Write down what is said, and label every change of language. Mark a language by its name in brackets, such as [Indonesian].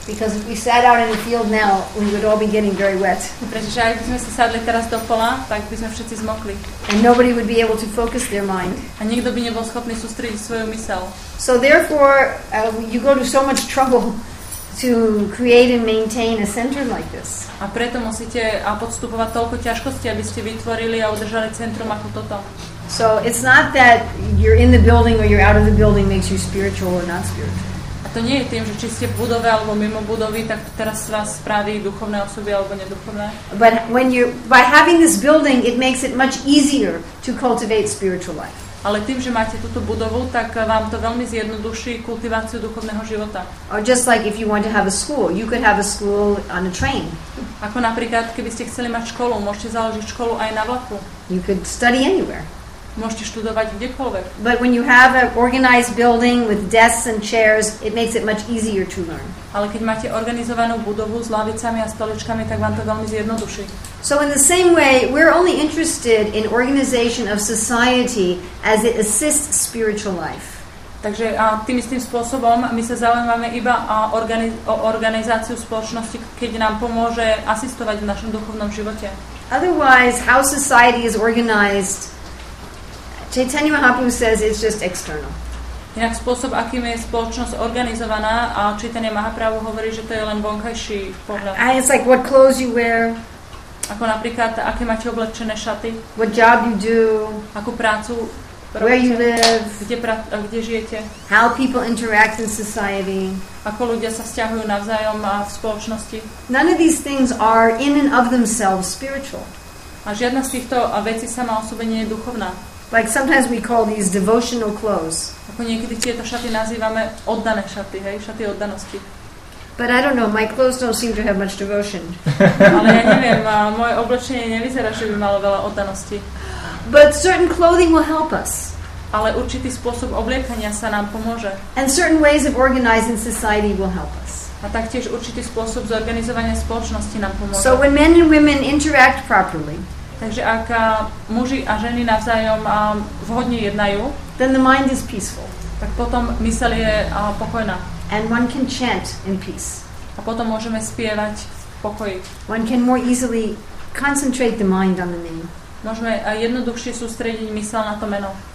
[English] Because if we sat out in the field now, we would all be getting very wet. [Slovak] Pretože ak by sme sa sadli teraz do pola, tak by sme všetci zmokli. [English] And nobody would be able to focus their mind. [Slovak] A nikto by nebol schopný sústrediť svoju myseľ. [English] So therefore, you go to so much trouble to create and maintain a center like this. [Slovak] A preto musíte podstupovať toľko ťažkosti, aby ste vytvorili a udržali centrum ako toto. [English] So it's not that you're in the building or you're out of the building makes you spiritual or not spiritual. [Slovak] To nie je tým, že či ste v budove alebo mimo budovy, tak teraz vás spraví duchovné osoby alebo neduchovné. [English] But when you by having this building, it makes it much easier to cultivate spiritual life. [Slovak] Ale tým, že máte túto budovu, tak vám to veľmi zjednoduší kultiváciu duchovného života. [English] Or just like if you want to have a school, you could have a school on a train. [Slovak] Ako napríklad, keby ste chceli mať školu, môžete založiť školu aj na vlaku. [English] You could study anywhere. [Slovak] Môžete študovať kdekoľvek. [English] But when you have an organized building with desks and chairs, it makes it much easier to learn. [Slovak] Ale keď máte organizovanú budovu s lavicami a stoličkami, tak vám to veľmi zjednoduší. [English] So in the same way, we're only interested in organization of society as it assists spiritual life. [Slovak] Takže a tým istým spôsobom my sa zaujímame iba o organizáciu spoločnosti, keď nám pomôže asistovať v našom duchovnom živote. [English] Otherwise, how society is organized, Chaitanya Mahaprabhu says it's just external. [Slovak] Inak spôsob, akým je spoločnosť organizovaná, a Chaitanya Mahaprabhu hovorí, že to je len vonkajší pohľad. [English] And it's like what clothes you wear. [Slovak] Ako napríklad, aké máte oblečené šaty. [English] What job you do. [Slovak] Akú prácu robíte. [English] Where you live. [Slovak] Kde žijete. [English] How people interact in society. [Slovak] Ako ľudia sa vzťahujú navzájom a v spoločnosti. [English] None of these things are in and of themselves spiritual. [Slovak] A žiadna z týchto vecí sama o sebe nie je duchovná. [English] Like sometimes we call these devotional clothes. [Slovak] Ako niekedy tieto šaty nazývame oddané šaty, hej, šaty oddanosti. [English] But I don't know, my clothes don't seem to have much devotion. [Slovak] Ale ja neviem, moje oblečenie nevyzerá, že by malo veľa oddanosti. [English] But certain clothing will help us. [Slovak] Ale určitý spôsob obliekania sa nám pomôže. [English] And certain ways of organizing society will help us. [Slovak] A taktiež určitý spôsob zorganizovania spoločnosti nám pomôže. [English] So when men and women interact properly, [Slovak] takže ak muži a ženy navzájom vhodne jednajú, [English] then the mind is peaceful. [Slovak] Tak potom myseľ je pokojná. [English] And one can chant in peace. [Slovak] A potom môžeme spievať v pokoji. [English] One can more easily concentrate the mind on the name. [Slovak] Môžeme jednoduchšie sústrediť myseľ na to meno.